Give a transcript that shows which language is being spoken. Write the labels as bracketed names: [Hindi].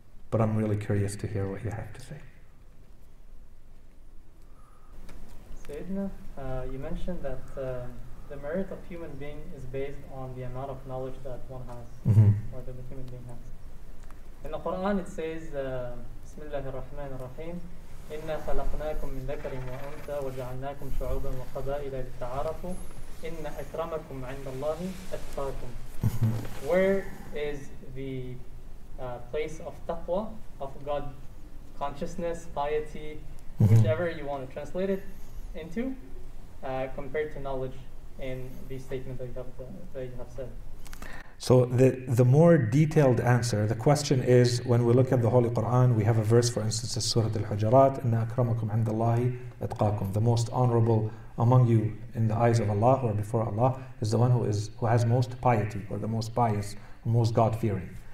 [English] But I'm really curious to hear what you have to say. Sayyidina, you mentioned that the merit of human being is based on the amount of knowledge that one has, mm-hmm. or that the human being has. In the Quran it says, [Arabic] Bismillah ar-Rahman ar-Rahim, إِنَّا خَلَقْنَاكُمْ مِنْ ذَكَرٍ وَأُنْثَى وَجَعَلْنَاكُمْ شُعُوبًا وَقَبَائِلَ لِتَعَارَفُوا إِنَّ أَكْرَمَكُمْ عِنْدَ اللَّهِ أَتْقَاكُمْ. [English] Where is the place of taqwa, of God consciousness, piety, whichever you want to translate it into, compared to knowledge in the statement that you have said? So the more detailed answer, the question is, when we look at the Holy Quran, we have a verse, for instance, in Surah Al-Hujurat, [Arabic] إِنَّ أَكْرَمَكُمْ عِنْدَ اللَّهِ أَتْقَاكُمْ, [English] the most honorable among you in the eyes of Allah or before Allah is the one who has most piety, or the most pious, or most God-fearing.